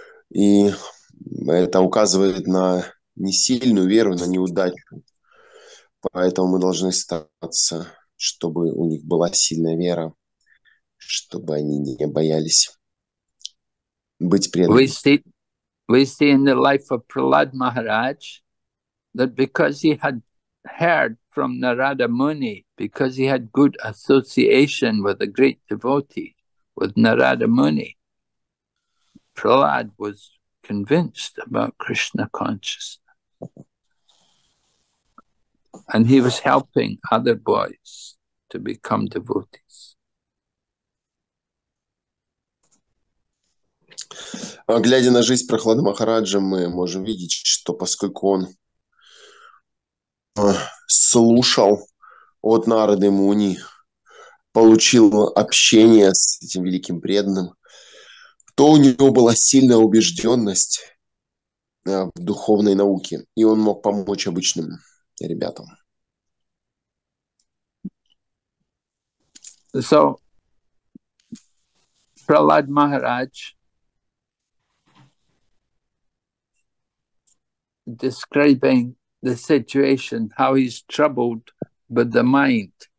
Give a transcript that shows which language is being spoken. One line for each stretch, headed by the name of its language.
Russian: И это указывает на несильную веру, на неудачу. Поэтому мы должны стараться, чтобы у них была сильная вера, чтобы они не боялись быть преданными.
English: We see in the life of Prahlad Maharaj that because he had heard from Narada Muni, because he had good association with a great devotee, with Narada Muni, Prahlad was convinced about Krishna consciousness. And he was helping other boys to become devotees.
Russian: Глядя на жизнь Прохлады Махараджа, мы можем видеть, что поскольку он слушал от Нарады Муни, получил общение с этим великим преданным, то у него была сильная убежденность в духовной науке, и он мог помочь обычным ребятам.
English: So, Prahlad Maharaj describing the situation, how he's troubled with the mind.